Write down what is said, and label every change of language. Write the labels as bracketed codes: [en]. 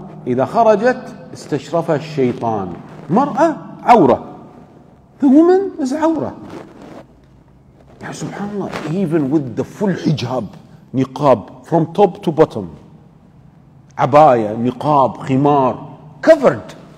[ar] إذا خرجت استشرف الشيطان. مرأة عورة. [en] The woman is [ar] عورة. [en] Yeah, subhanAllah, even with the full hijab, niqab, from top to bottom. [ar] عباية, نقاب, خمار, covered.